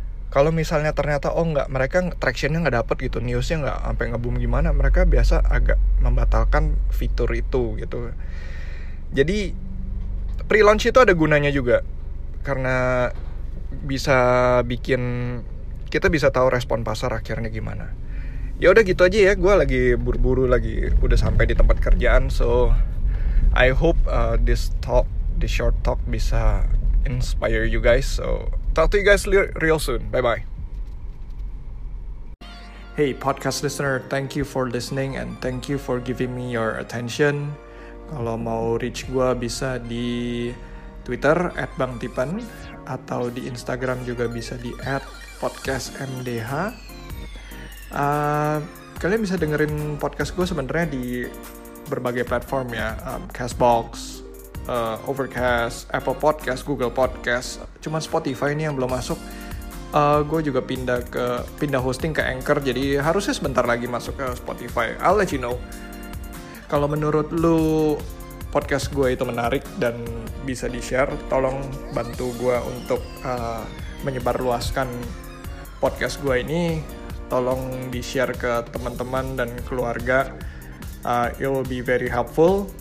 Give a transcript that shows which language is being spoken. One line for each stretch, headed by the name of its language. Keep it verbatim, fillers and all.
Indonesian: Kalau misalnya ternyata oh nggak, mereka traction-nya nggak dapet gitu, news-nya nggak sampai nge-boom gimana, mereka biasa agak membatalkan fitur itu gitu. Jadi pre-launch itu ada gunanya juga, karena bisa bikin kita bisa tahu respon pasar akhirnya gimana. Ya udah gitu aja ya, gue lagi buru-buru lagi udah sampai di tempat kerjaan.
English: So I hope uh, this talk, this short talk bisa inspire you guys. So talk to you guys real soon. Bye-bye. Hey podcast listener, thank you for listening and thank you for giving me your attention.
Indonesian: Kalau mau reach gue bisa di Twitter at bang tipan, atau di Instagram juga bisa di at podcast m d h. uh, Kalian bisa dengerin podcast gue sebenarnya di berbagai platform ya, um, Castbox, Uh, Overcast, Apple Podcast, Google Podcast. Cuman Spotify ini yang belum masuk. uh, Gue juga pindah ke pindah hosting ke Anchor. Jadi harusnya sebentar lagi masuk ke Spotify.
English: I'll let you know.
Indonesian: Kalau menurut lu podcast gue itu menarik dan bisa di-share, tolong bantu gue untuk uh, menyebarluaskan podcast gue ini. Tolong di-share ke teman-teman dan keluarga.
English: uh, It will be very helpful.